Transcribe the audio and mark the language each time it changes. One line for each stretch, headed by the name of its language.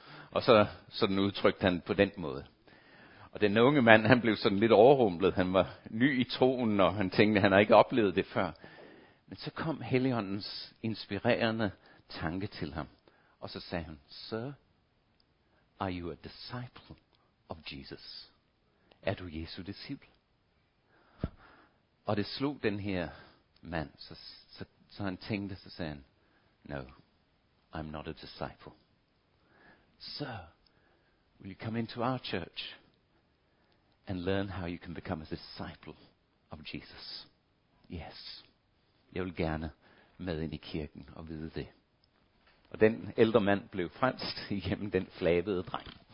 Danish: Og så sådan udtrykte han på den måde. Og den unge mand, han blev sådan lidt overrumplet. Han var ny i troen, og han tænkte, han har ikke oplevet det før. Men så kom Helligåndens inspirerende tanke til ham. Og så sagde han,
English: "Sir, are you a disciple of Jesus?
Danish: Er du Jesu disciple?" Og det slog den her mand, så han tænkte, så sagde han,
English: "No, I'm not a disciple. Sir, will you come into our church? and learn how you can become a disciple of Jesus.
Danish: Yes, jeg vil gerne med ind i kirken og vide det. Og den ældre mand blev frelst igennem den flabede dreng.